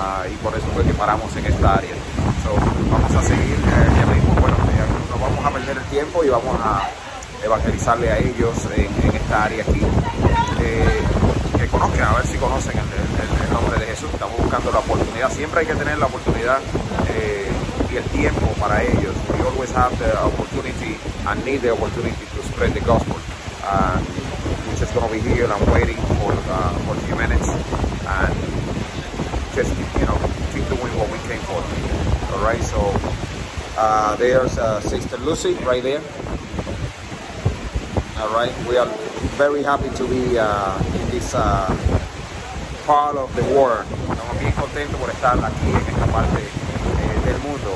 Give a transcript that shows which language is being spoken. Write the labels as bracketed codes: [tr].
[es] Y por eso fue que paramos en esta área. So, vamos a seguir ya mismo. Bueno, no vamos a perder el tiempo y vamos a evangelizarle a ellos en esta área aquí. Que conozcan, a ver si conocen el nombre de Jesús. Estamos buscando la oportunidad. Siempre hay que tener la oportunidad y el tiempo para ellos. [en] We always have the opportunity and need the opportunity to spread the gospel. We're just going to be here and waiting for a few minutes. And just, you know, keep doing what we came for. All right, so there's Sister Lucy right there. All right, we are very happy to be in this part of the world. [es] Estamos bien contentos por estar aquí en esta parte del mundo.